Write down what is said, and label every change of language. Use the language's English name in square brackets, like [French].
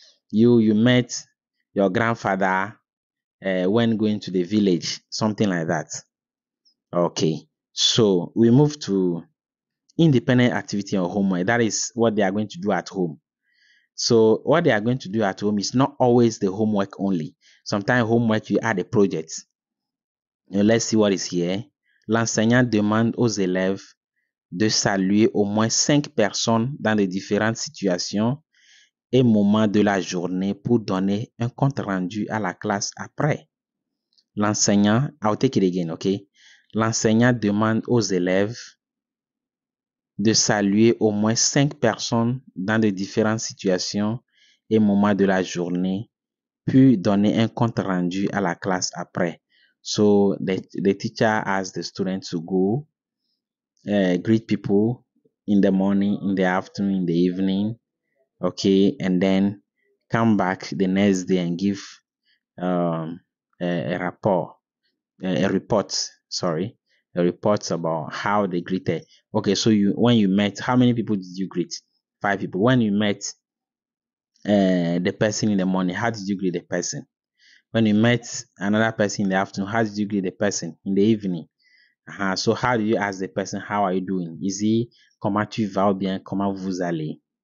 [English] You met your grandfather when going to the village, something like that. Okay, so we move to independent activity or homework. That is what they are going to do at home. So what they are going to do at home is not always the homework only. Sometimes homework, you add a project. Now let's see what is here. [French] L'enseignant demande aux élèves de saluer au moins 5 personnes dans les différentes situations et moments de la journée pour donner un compte rendu à la classe après. L'enseignant, [English] I'll take it again, okay? [French] L'enseignant demande aux élèves de saluer au moins 5 personnes dans les différentes situations et moments de la journée, puis donner un compte rendu à la classe après. [English] So the teacher asks the students to go greet people in the morning, in the afternoon, in the evening, okay, and then come back the next day and give a report about how they greeted. Okay, so when you met, how many people did you greet? 5 people. When you met the person in the morning, how did you greet the person? When you met another person in the afternoon, how did you greet the person in the evening? So how do you ask the person, how are you doing? Is he, [French] comment tu vas bien, comment vous allez?